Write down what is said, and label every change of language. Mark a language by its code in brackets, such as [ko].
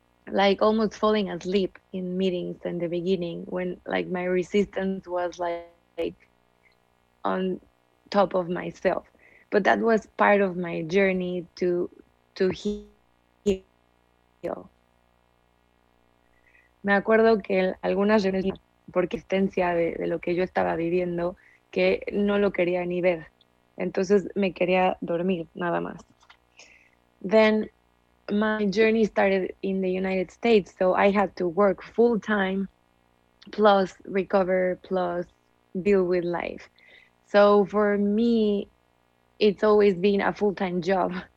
[en] like almost falling asleep in meetings in the beginning when like my resistance was like on top of myself. But that was part of my journey to heal. [es] Me acuerdo que algunas veces por existencia de lo que yo estaba viviendo, que no lo quería ni ver. Entonces me quería dormir nada más. [en] Then my journey started in the United States, so I had to work full time, plus recover, plus deal with life. So for me, it's always been a full time job.